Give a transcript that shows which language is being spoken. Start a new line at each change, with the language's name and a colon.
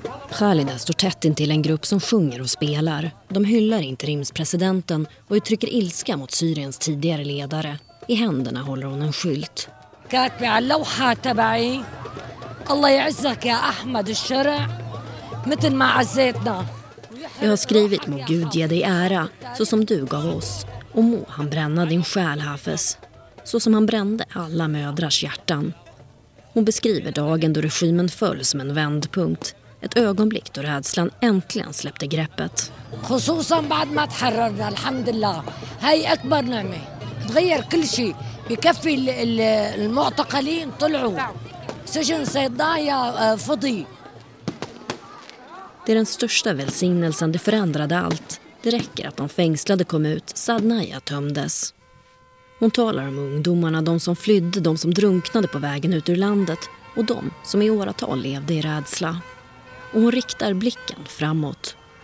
Swedish: Khalida står tätt intill en grupp som sjunger och spelar. De hyllar interimspresidenten och uttrycker ilska mot Syriens tidigare ledare. I händerna håller hon en skylt.
Arabic: كاتبة على اللوحة تبعي الله يعزك يا أحمد الشرع مثل ما عزيتنا.
Swedish: Jag har skrivit må Gud ge dig ära så som du gav oss och må han bränna din själ Hafez så som han brände alla mödrars hjärtan. Hon beskriver dagen då regimen föll som en vändpunkt, ett ögonblick då rädslan äntligen släppte greppet.
Arabic: خصوصاً بعد ما تحررنا الحمد لله هاي اكبر نعمه تغير كل شيء بكفي المعتقلين طلعوا سجن صيدايا فضي.
Swedish: Det är den största välsignelsen, det förändrade allt. Det räcker att de fängslade kom ut, Sadnaya tömdes. Hon talar om ungdomarna, de som flydde, de som drunknade på vägen ut ur landet och de som i åratal levde i rädsla. Och hon riktar blicken framåt.